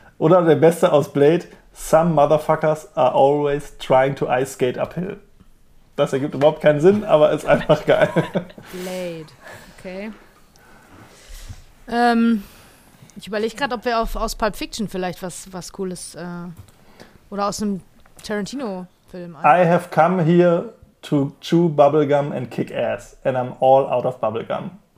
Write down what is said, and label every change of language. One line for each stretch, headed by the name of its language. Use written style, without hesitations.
German: Oder der beste aus Blade,
English: some motherfuckers are always trying to ice skate uphill.
German: Das ergibt überhaupt keinen Sinn, aber ist einfach geil. Blade, okay. Ich überlege gerade, ob wir aus Pulp Fiction vielleicht was Cooles oder aus einem Tarantino-Film.
English: I have come here to chew bubblegum and kick ass. And I'm all out of bubblegum.